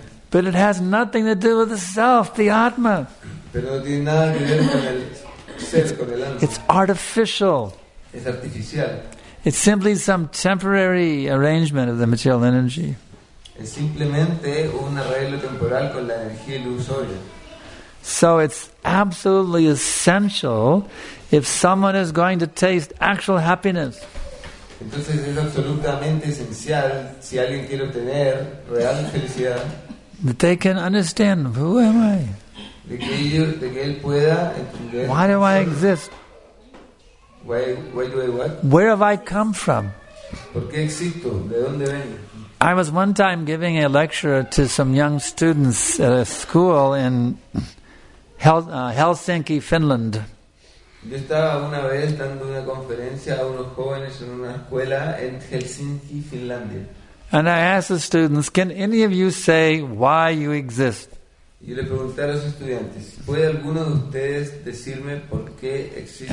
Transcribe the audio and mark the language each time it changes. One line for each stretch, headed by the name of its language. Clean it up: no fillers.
English: But it has nothing to do with the self, the Atma. It's artificial.
Spanish: Es artificial.
English: It's simply some temporary arrangement of the material energy.
Spanish: Es simplemente un arreglo temporal con la energía ilusoria.
English: So it's absolutely essential if someone is going to taste actual happiness.
Spanish: Entonces es absolutamente esencial si alguien quiere obtener real felicidad.
English: That they can understand who am I?
Spanish: De que él pueda entender.
English: Why do I exist? Why do I what? Where have I come from?
Spanish: ¿Por qué existo? ¿De dónde vengo?
English: I was one time giving a lecture to some young students at a school in Helsinki, Finland.
Spanish: Yo estaba una vez dando una conferencia a unos jóvenes en una escuela en Helsinki, Finlandia.
English: And I asked the students, can any of you say why you exist?
Spanish: Y le pregunté a los estudiantes, ¿puede alguno de ustedes decirme por qué existe?